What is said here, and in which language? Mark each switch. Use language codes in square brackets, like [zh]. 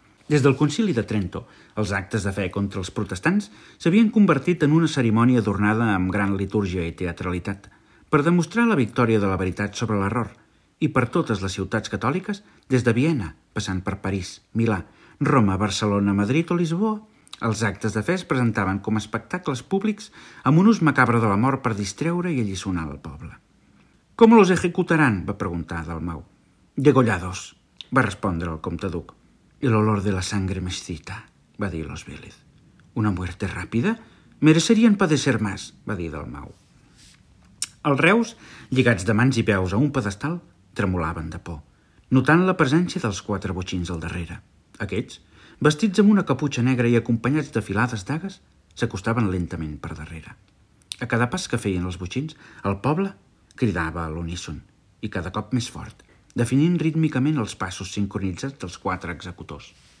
[ca] Des del Concili de Trento, els actes de fe contra els protestants s'havien convertit en una cerimònia adornada amb gran litúrgia i teatralitat, per demostrar la victòria de la veritat sobre l'error. I per totes les ciutats catòliques, des de Viena, passant per París, Milà, Roma, Barcelona, Madrid o Lisboa, els actes de fe es presentaven com a espectacles públics amb un ús macabre de la mort per distreure i alliçonar el poble. [es] «¿Cómo los ejecutarán?», [ca] va preguntar Dalmau. [es] «Degollados», [ca] va respondre el comte Duc. [es] «El olor de la sangre me excita», [ca] va dir los Vélez. [es] «¿Una muerte rápida? Merecerían padecer más», [ca] va dir Dalmau. Els reus, lligats de mans i peus a un pedestal, tremolaven de por, notant la presència dels quatre botxins al darrere. Aquests, vestits amb una caputxa negra i acompanyats de filades d'agues, s'acostaven lentament per darrere. A cada pas que feien els botxins, el poble cridava a l'uníson, i cada cop més fort, definint rítmicament els passos sincronitzats dels quatre executors.